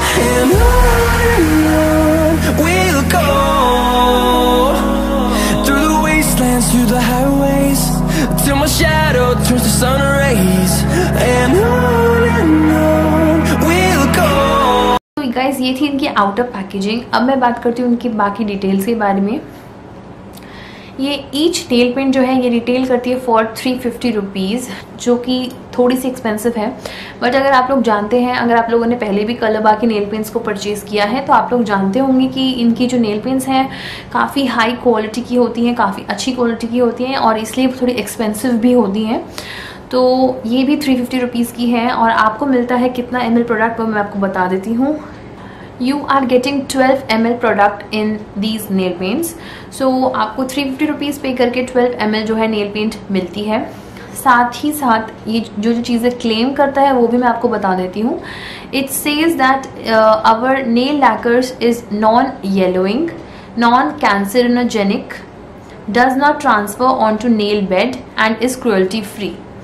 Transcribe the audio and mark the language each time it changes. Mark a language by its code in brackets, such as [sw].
[en] And on we'll go through the wastelands, through the highways, till my shadow turns to sun rays, and on we'll go. So guys, [hi] ये थी इनकी outer packaging. अब मैं बात करती हूँ इनकी बाकी डिटेल्स के बारे में। ये ईच नेल पेंट जो है ये रिटेल करती है फॉर 350 रुपीज़, जो कि थोड़ी सी एक्सपेंसिव है। बट अगर आप लोग जानते हैं, अगर आप लोगों ने पहले भी कलबा के नेल पेंट्स को परचेज किया है, तो आप लोग जानते होंगे कि इनकी जो नेल पेंट्स हैं काफ़ी हाई क्वालिटी की होती हैं, काफ़ी अच्छी क्वालिटी की होती हैं, और इसलिए थोड़ी एक्सपेंसिव भी होती हैं। तो ये भी 350 रुपीज़ की है, और आपको मिलता है कितना ML प्रोडक्ट, वो मैं आपको बता देती हूँ। [en] You are getting 12 ml product in these nail paints. [hi] So आपको 350 रुपीज़ पे करके 12 ml जो है नेल पेंट मिलती है। साथ ही साथ ये जो जो चीज़ें क्लेम करता है वो भी मैं आपको बता देती हूँ। [en] It says that our nail lacquers is non yellowing, non carcinogenic, does not transfer on to nail bed, and is cruelty free.